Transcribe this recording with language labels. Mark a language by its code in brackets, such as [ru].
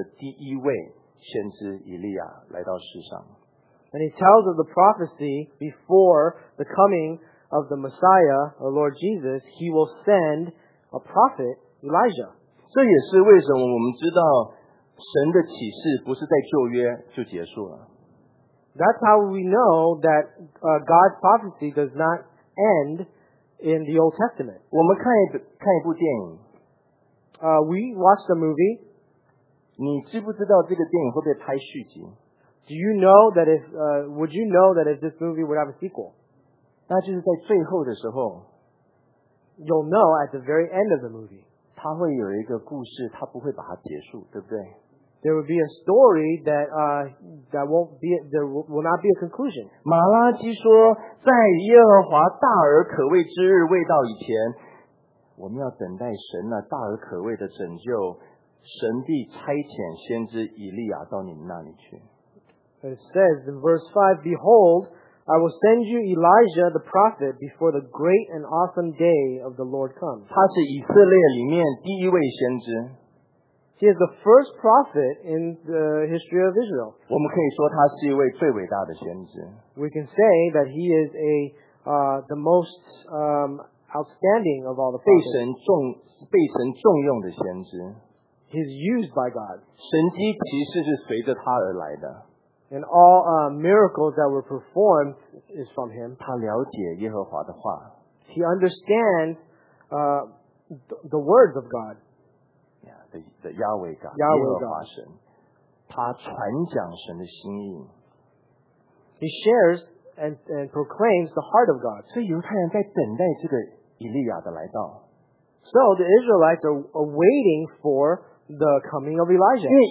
[zh] 就是向以色列人预言了,我要在主耶稣或者是弥赛亚再来临之前,我会差派这第一位先知以利亚来到世上。 [en] And he tells of the prophecy before the coming of the Messiah, the Lord Jesus, he will send a prophet, Elijah. [zh] 这也是为什么我们知道神的启示不是在旧约就结束了。 [en] That's how we know that God's prophecy does not end in the Old Testament. [zh] 我们看一部电影。 [en] We watched a movie. [zh] 你知不知道这个电影会不会拍续集？ [en] Do you know that if would you know that if this movie would have a sequel? [zh] 那就是在最后的时候, [en] you'll know at the very end of the movie. [zh] 它会有一个故事, 它不会把它结束, [en] there would be a story that there will not be a conclusion. [zh] 马拉基说, 在耶和华大而可畏之日未到以前，我们要等待神那大而可畏的拯救，神必差遣先知以利亚到你们那里去。 [en] It says in verse 5, Behold, I will send you Elijah the prophet before the great and awesome day of the Lord comes. [zh] 他是以色列里面第一位先知。 [en] He is the first prophet in the history of Israel. [zh] 我们可以说他是一位最伟大的先知。 [en] We can say that he is a the most outstanding of all the prophets. [zh] 被神重用的先知。 [en] He's used by God. [zh] 神迹奇事是随着他而来的。 [en] And all miracles that were performed is from him. [zh] 他了解耶和华的话。 [en] He understands the words of God. Yeah, the Yahweh God, Yahweh [zh] 耶和华神。他传讲神的心意。 [en] He shares and proclaims the heart of God. [zh] 所以犹太人在等待这个以利亚的来到。 [en] So the Israelites are waiting for the coming of Elijah.